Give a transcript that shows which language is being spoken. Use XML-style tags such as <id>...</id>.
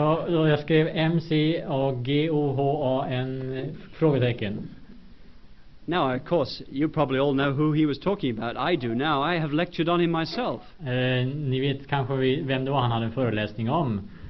<sv>Och jag skrev MC och G O H A N frågetecken.</sv> <en>Now, of course, you probably all know who he was talking about. I do now. I have lectured on him myself.</en> <sv>Ni vet kanske vem det var han hade en föreläsning om.</sv>